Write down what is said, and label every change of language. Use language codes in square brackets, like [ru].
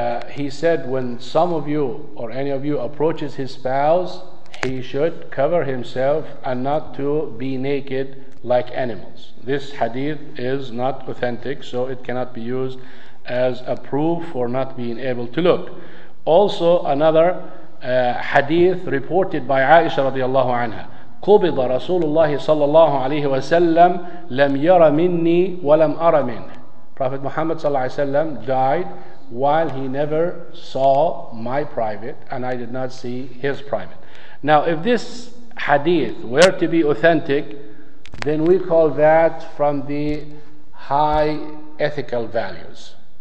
[en] He said, when some of you or any of you approaches his spouse, he should cover himself and not to be naked like animals. This hadith is not authentic, so it cannot be used as a proof for not being able to look. Also, another hadith reported by Aisha [ar] radiallahu anha, قبض رسول الله صلى الله عليه وسلم لم يرى مني ولم أرى منه. [en] Prophet Muhammad [ar] صلى الله عليه وسلم [en] died while he never saw my private and I did not see his private. Now, if this hadith were to be authentic, then we call that from the high ethical values.